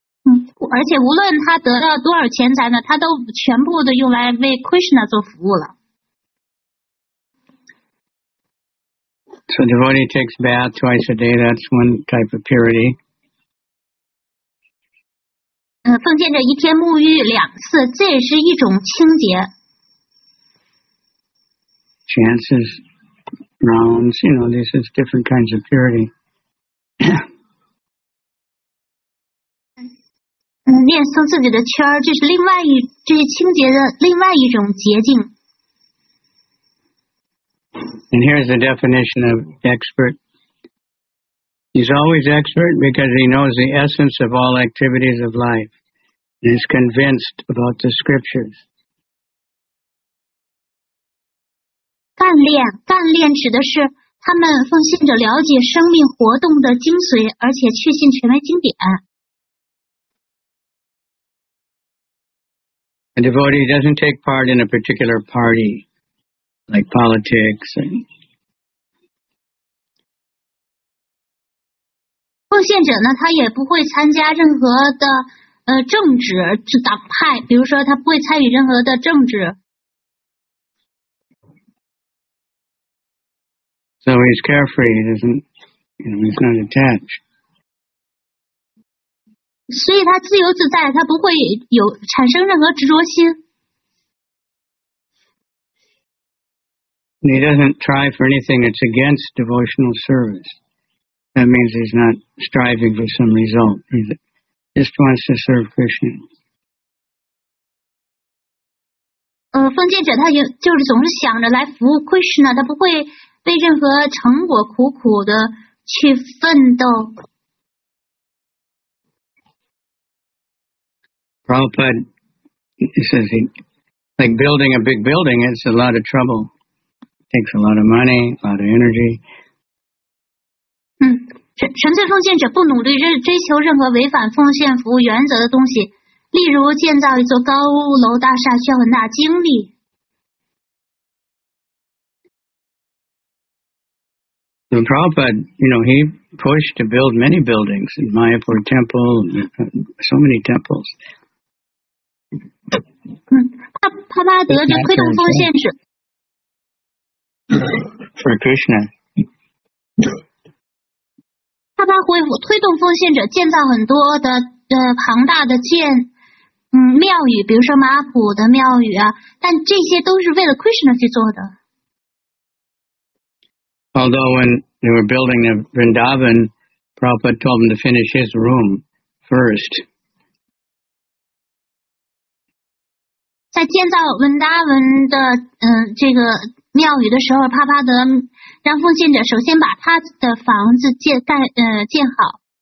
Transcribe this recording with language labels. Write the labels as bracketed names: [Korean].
[Chinese] 而且无论他得到多少钱财呢，他都全部的用来为 Krishna 做服务了。 [English] So devotee takes bath twice a day, that's one type of purity. [Chinese] 奉献者一天沐浴两次，这也是一种清洁。 [English] Chances, rounds, you know, this is different kinds of purity. [Chinese] 念诵自己的圈，这是另外一，这是清洁的另外一种洁净。 [English] And here's the definition of expert. He's always expert because he knows the essence of all activities of life and is convinced about the scriptures. [Chinese] 干练指的是他们奉献者了解生命活动的精髓，而且确信权威经典。 [English] A devotee doesn't take part in a particular party. Like politics. [Chinese] 奉献者呢，他也不会参加任何的政治党派，比如说他不会参与任何的政治。 [English] So he's carefree, he's not attached. [Chinese] 所以他自由自在，他不会有产生任何执着心。 [English] He doesn't try for anything that's against devotional service. That means he's not striving for some result. He just wants to serve Krishna. [Chinese] 奉献者他就是总是想着来服务 Krishna, 他不会为任何成果苦苦的去奋斗。 [English] Prabhupada says, like building a big building, it's a lot of trouble. Takes a lot of money, a lot of energy. [Chinese] 纯粹奉献者不努力追求任何违反奉献服务原则的东西，例如建造一座高楼大厦需要很大精力。 [English] The Prabhupada, you know, he pushed to build many buildings in Mayapur temple, so many temples. [Chinese] 帕帕德就推动奉献者。 [English] For Krishna. [Chinese] 帕帕会推动奉献者建造很多的庞大的建庙宇，比如说马普的庙宇啊，但这些都是为了 Krishna 去做的。 [English] Although when they were building the Vrindavan, Prabhupada told them to finish his room first. [Chinese] 在建造 Vrindavan 的这个庙宇的时候，帕帕德让奉献者首先把他的房子建好。